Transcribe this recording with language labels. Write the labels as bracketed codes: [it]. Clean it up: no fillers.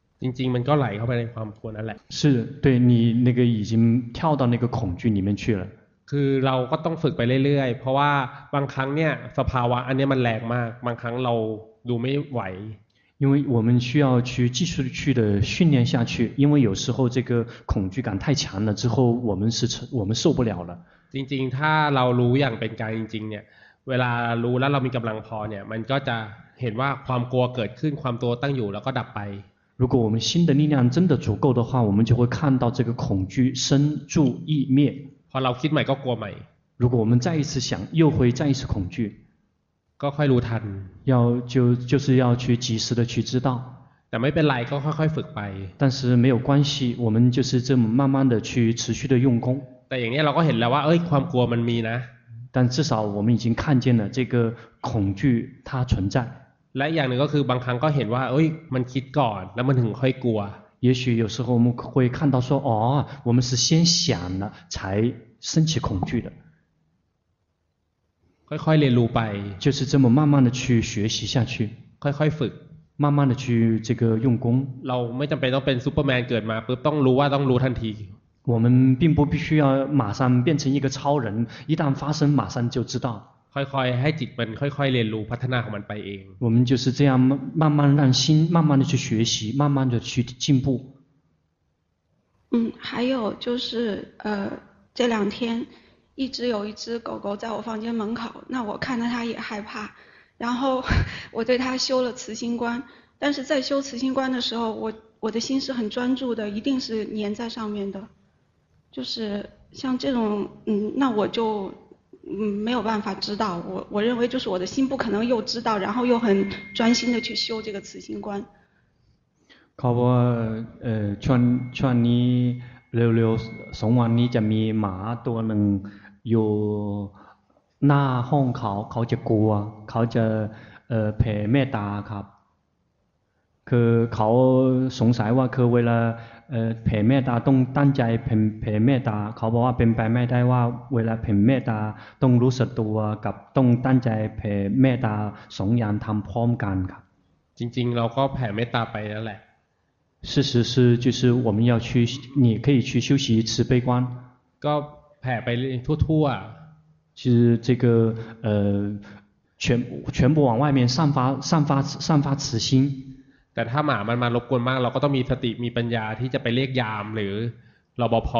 [th] จริงๆมันก็ไหลเข้าไปในความกลัวนั่นแหละ [zh] 是对你那个已经跳到那个恐惧里面去了 [th] คือเราก็ต้องฝึกไปเรื่อยๆเพราะว่าบางครั้งเนี่ยสภาวะอันนี้มันแรงมากบางครั้งเราดูไม่ไหว [zh] 因为我们需要去继续去的训练下去因为有时候这个恐惧感太强了之后我们受不了了 [th] จริงๆถ้าเรารู้อย่างเป็นการจริงๆเนี่ยเวลารู้แล้วเรามีกำลังพอเนี่ยมันก็จะเห็นว่าความกลัวเกิดขึ้นความตัวตั้งอยู่แล้วก็ดับไป [zh] 如果我们心的力量真的足够的话我们就会看到这个恐惧生住意灭 [th] พอเราคิดใหม่ก็กลัวใหม่ [zh] 如果我们再一次想又会再一次恐惧 [th] ก็ค่อยรู้ทัน [zh] 就是要去及时的去知道 [th] แต่ไม่เป็นไรก็ค่อยๆฝึกไป [zh] 但是没有关系我们就是这么慢慢的去持续的用功 [th] แต่อย่างนี้เราก็เห็นแล้วว่าเอ้ยความกลัวมันมีนะ [zh] 但至少我们已经看见了这个恐惧它存在 [th] และอย่างหนึ่งก็คือบางครั้งก็เห็นว่าเอ้ยมันคิดก่อนแล้วมันถึงค่อยกลัว [zh] 也许有时候我们会看到说哦我们是先想了才升起恐惧的 [th] ค่อยๆเรียนรู้ไป [zh] 就是这么慢慢的去学习下去 [th] ค่อยๆฝึก [zh] 慢慢的去这个用功 [th] เราไม่จำเป็นต้องเป็นซูเปอร์แมนเกิดมาปุ๊บต้องรู้ว่าต้องรู้ทันที [zh] 我们并不必须要马上变成一个超人一旦发生马上就知道 [th] ค่อยๆให้จิตมันค่อยๆเรียนรู้พัฒนาของมันไปเอง [zh] 我们就是这样慢慢让心慢慢的去学习慢慢的去进步还有就是这两天一直有一只狗狗在我房间门口那我看到它也害怕然后我对它修了慈心观但是在修慈心观的时候我的心是很专注的一定是粘在上面的就是像这种那我就没有办法知道我认为就是我的心不可能又知道然后又很专心的去修这个慈心观 [th] เขาบอกช่วงนี้เร็วๆสองวันนี้จะมีหมาตัวหนึ่งอยู่หน้าห้องเขาจะกลัวเขาจะแผ่เมตตาครับคือเขาสงสัยว่าคือเวลาแผ่เมตตาต้องตั้งใจแผ่เมตตาเขาบอกว่าเป็นไปไม่ได้ว่าเวลาแผ่เมตตาต้องรู้สึกตัวกับต้องตั้งใจแผ่เมตตาสองอย่างทำพร้อมกันครับ จริงๆเราก็แผ่เมตตาไปแล้วแหละ [zh] 事实是就是我们要去你可以去修习慈悲观 [th] ก็แผ่ไปทั่วๆ [zh] 其实这个全部往外面散发慈心 [th] แต่ถ้าหมามันมารบกวนมากเราก็ต้องมีสติมีปัญญาที่จะไปเรียกยามหรือรปภ.